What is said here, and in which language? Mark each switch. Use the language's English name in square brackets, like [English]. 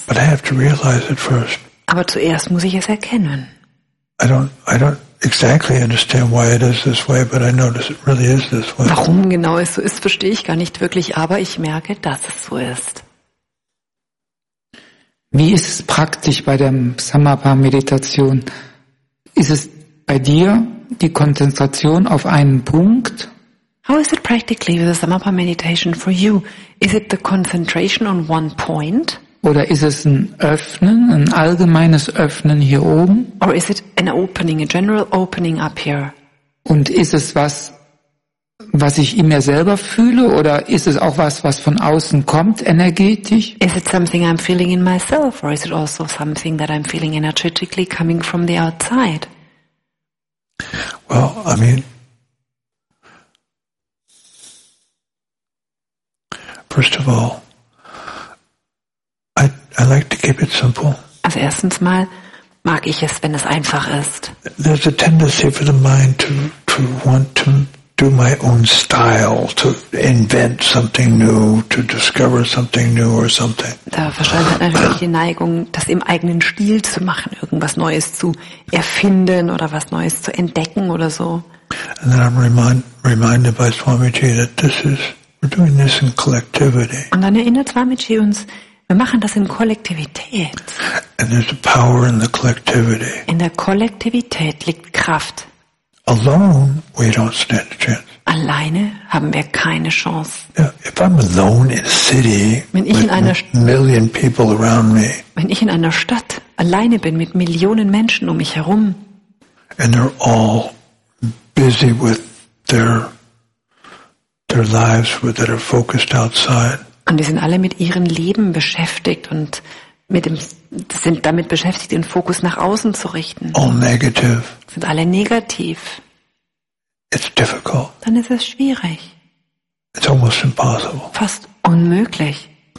[English] But I have to realize it first. [German] Aber zuerst muss ich es erkennen. [English] I don't exactly understand why it is this way, but I notice it really is this way. [German] Warum genau es so ist, verstehe ich gar nicht wirklich, aber ich merke, dass es so ist. Wie ist es praktisch bei der Samapa-Meditation? Ist es bei dir die Konzentration auf einen Punkt? [English] How is it practically with the Samapa meditation for you? Is it the concentration on one point? [German] Oder ist es ein Öffnen, ein allgemeines Öffnen hier oben? [English] Or is it an opening, a general opening up here? [German] Und ist es was, was ich in mir selber fühle, oder ist es auch was, was von außen kommt, energetisch? [English] Is it something I'm feeling in myself, or is it also something that I'm feeling energetically coming from the outside? Well, I mean, first of all, I like to keep it simple. [German] Also erstens mal mag ich es, wenn es einfach ist. [English] There's a tendency for the mind to want to do my own style, to invent something new, to discover something new or something. [German] Da verschwindet natürlich die Neigung, das im eigenen Stil zu machen, irgendwas Neues zu erfinden oder was Neues zu entdecken oder so. [English] And then I'm reminded by Swamiji that this is, we're doing this in collectivity. [German] Und dann erinnert Swamiji uns, wir machen das in Kollektivität. [English] And there's a power in the collectivity. [German] In der Kollektivität liegt Kraft. [English] Alone, we don't stand a chance. [German] Alleine haben wir keine Chance. [English] Yeah, if I'm alone in a city, [German] wenn ich [English] with [German] in einer [English] million people around me, [German] wenn ich in einer Stadt alleine bin mit Millionen Menschen um mich herum, [English] and they're all busy with their lives that are focused outside. [German] Und die sind alle mit ihrem Leben beschäftigt und mit dem, sind damit beschäftigt, den Fokus nach außen zu richten. [English] All negative. [German] Sind alle negativ. [English] It's difficult. [German] Dann ist es schwierig. [English] It's almost impossible. [German] Fast unmöglich.